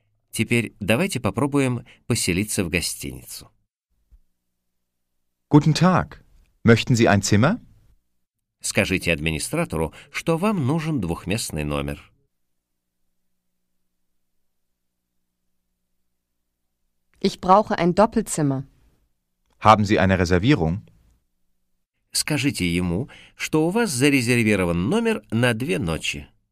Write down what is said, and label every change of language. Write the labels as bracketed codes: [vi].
[ru] Теперь давайте попробуем поселиться в гостиницу. [de] Guten Tag. Möchten Sie ein Zimmer? [ru] Скажите администратору, что вам нужен двухместный номер. [de] Ich brauche ein Doppelzimmer. Haben Sie eine Reservierung? [ru] Скажите ему, что у вас зарезервирован номер на две ночи.